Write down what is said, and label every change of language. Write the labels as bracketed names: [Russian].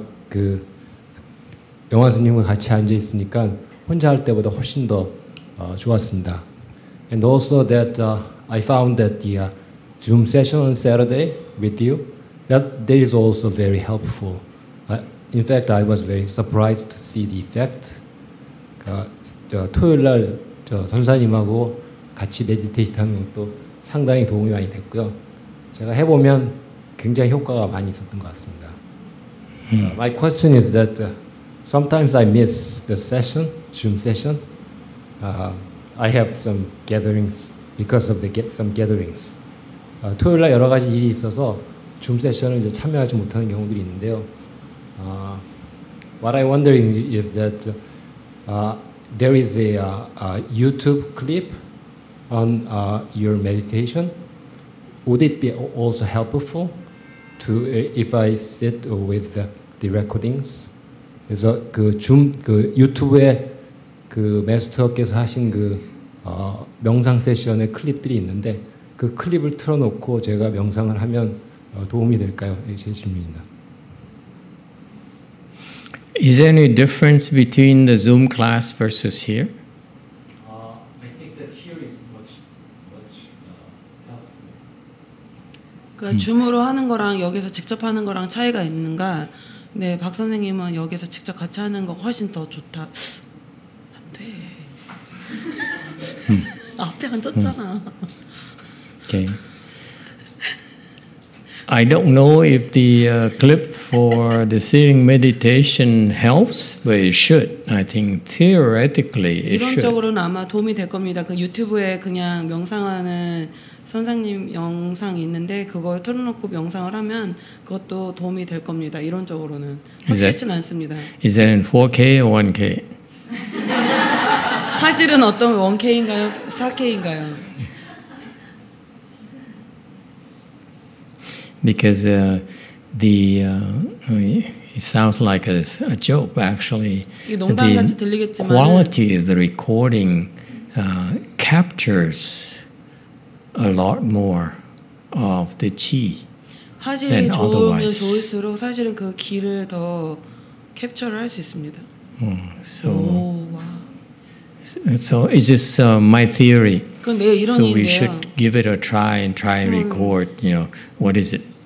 [Korean] 그 영화 선생님과 같이 앉아 있으니까 혼자 할 때보다 훨씬 더 좋았습니다. [English] And also that I found that the Zoom session on Saturday with you, that is also very helpful. In fact, I was very surprised to see the effect. [Korean] 토요일 날 저 선사님하고 같이 메디테이트 하는 것도 상당히 도움이 많이 됐고요. 제가 해보면 굉장히 효과가 많이 있었던 것 같습니다. [English] My question is that sometimes I miss the session, Zoom session. I have some gatherings because of the some gatherings. [Korean] 토요일 날 여러 가지 일이 있어서 Zoom 세션을 이제 참여하지 못하는 경우들이 있는데요. [English] What I wondering is that there is a YouTube clip on your meditation. Would it be also helpful to if I sit with the recordings? [Korean] 그래서 그 Zoom 그 유튜브에 그 메스터께서 하신 그 명상 세션의 클립들이 있는데 그 클립을 틀어놓고 제가 명상을 하면 도움이 될까요? 제 질문입니다. [English] Is there any difference between the Zoom class versus here? I think that here is much helpful. [Korean] 그 줌으로 하는 거랑 여기서 직접 하는 거랑 차이가 있는가? 네, 박 선생님은 여기서 직접 같이 하는 거 훨씬 더 좋다. 안 돼. 앞에 앉았잖아. [English] Okay. I don't know if the clip for the sitting meditation helps, but it should. I think theoretically it [Korean] 이론적으로는 [English] should. [Korean] 이론적으로는 아마 도움이 될 겁니다. 그 유튜브에 그냥 명상하는 선생님 영상이 있는데 그걸 틀어놓고 명상을 하면 그것도 도움이 될 겁니다. 이론적으로는 확실치 않습니다. [English] Is that in 4K or 1K? [Korean] 화질은 어떤 1K인가요? 4K인가요? [English] Because it sounds like a joke, actually. The quality of the recording captures a lot more of the qi than otherwise. [Korean] 사실은 그 기를 더 캡처를 할 수 있습니다. [English] So it's just my theory. So we should give it a try and try and record, you know, what is it?